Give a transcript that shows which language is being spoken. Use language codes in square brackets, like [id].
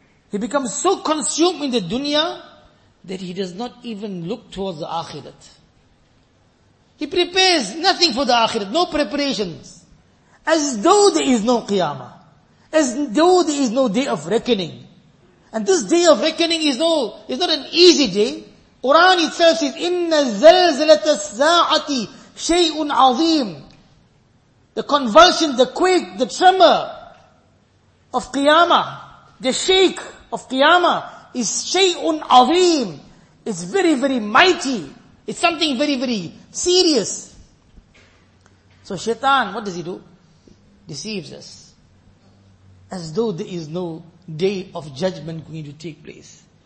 [en] He becomes so consumed in the dunya that he does not even look towards the akhirat. He prepares nothing for the akhirat, no preparations. As though there is no qiyamah. As though there is no day of reckoning. And this day of reckoning is not an easy day. Quran itself says, [ar] إِنَّ زَلْزَلَةَ السَّاعَةِ شَيْءٌ عَظِيمٌ. [en] The convulsion, the quake, the tremor of qiyamah, the shake of qiyamah is [ar] شَيْءٌ عَظِيمٌ. [en] It's very, very mighty. It's something very, very serious. So shaitan, what does he do? Deceives us. As though there is no day of judgment going to take place.